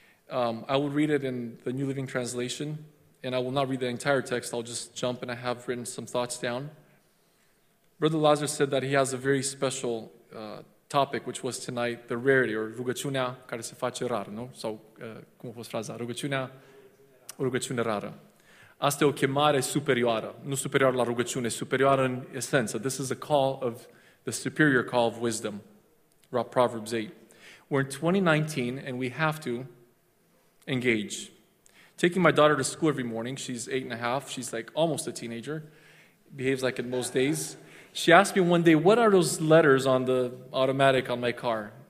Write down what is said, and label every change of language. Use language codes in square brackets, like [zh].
[en] I will read it in the New Living Translation, and I will not read the entire text. I'll just jump, and I have written some thoughts down. Brother Lazar said that he has a very special topic, which was tonight, the rarity, or [ro] rugăciunea care se face rară, no? Sau, cum a fost fraza? Rugăciunea, o rugăciune rară. Asta e o chemare superioară, nu superioară la rugăciune, superioară în esență. [en] This is a call of the superior call of wisdom, Proverbs 8. We're in 2019, and we have to engage. Taking my daughter to school every morning, she's 8 and a half, she's like almost a teenager, behaves like in most days. She asked me one day, what are those letters on the automatic on my car?